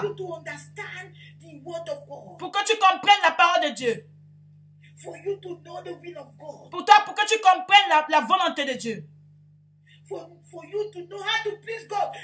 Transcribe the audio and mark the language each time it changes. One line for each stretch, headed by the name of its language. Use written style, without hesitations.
English: For you to understand the word of God.
French: Pour que tu comprennes la parole de Dieu.
English: For you to know the will of God.
French: Pour toi, pour que tu comprennes la volonté de Dieu.
English: For you to know how to please God.